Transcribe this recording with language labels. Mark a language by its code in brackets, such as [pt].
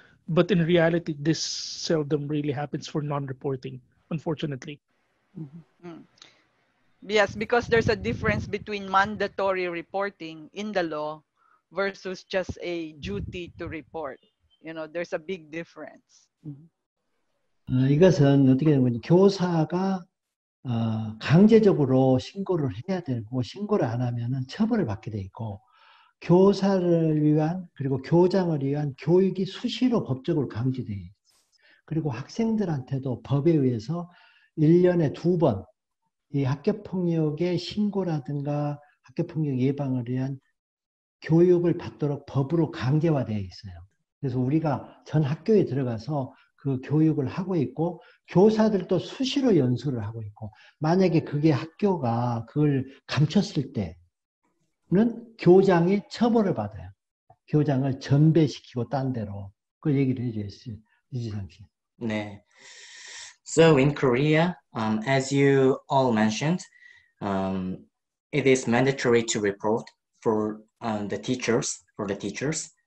[en] But in reality, this seldom really happens for non-reporting, unfortunately. Mm-hmm. Mm. Yes, because there's a difference between mandatory reporting in the law versus just a duty to report. You know, there's a big difference. [ko] 이것은 어떻게 되면 교사가 강제적으로 신고를 해야 되고 신고를 안 하면은 처벌을 받게 돼 있고 교사를 위한 그리고 교장을 위한 교육이 수시로 법적으로 강제돼 있고 그리고 학생들한테도 법에 의해서 1년에 두 번 이 학교폭력의 신고라든가 학교폭력 예방을 위한 교육을 받도록 법으로 강제화되어 있어요. 그래서 우리가 전 학교에 들어가서 그 교육을 하고 있고 교사들도 수시로 연수를 하고 있고 만약에 그게 학교가 그걸 감췄을 때는 교장이 처벌을 받아요. 교장을 전배시키고 딴 데로 그 얘기를 해주셨어요. 이지상 씨. 네. [en] So in Korea, as you all mentioned, it is mandatory to report for the teachers.